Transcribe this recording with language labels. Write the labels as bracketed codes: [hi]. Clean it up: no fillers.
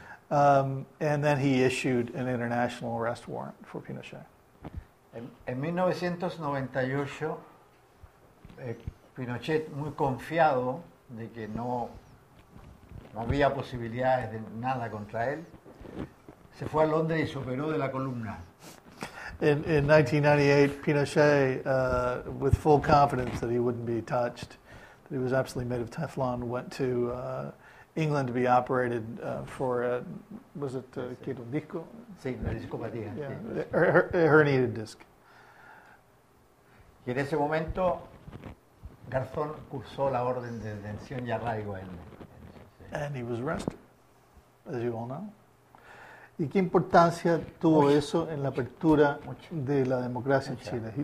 [en] And then he issued an international arrest warrant for Pinochet. [es] En 1998, Pinochet, muy confiado de que no había posibilidades de nada contra él, se fue a Londres y se operó de la columna. [en] In 1998, Pinochet, with full confidence that he wouldn't be touched, that he was absolutely made of Teflon, went to England to be operated for [es] un disco? Sí, una discopatía. [en] A herniated disc. [es] Y en ese momento, Garzón cursó la orden de detención y arraigo en... [en] And he was arrested, as you all know. [es] ¿Y qué importancia tuvo eso en la apertura de la democracia en Chile?